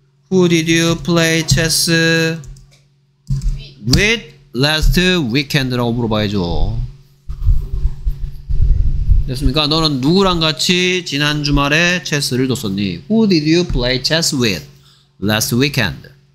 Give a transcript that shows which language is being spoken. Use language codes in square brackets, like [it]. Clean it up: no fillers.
[en] Who did you play chess with last weekend? [ko] 라고 물어봐야죠. 됐습니까? 너는 누구랑 같이 지난 주말에 체스를 뒀었니? [en] Who did you play chess with last weekend?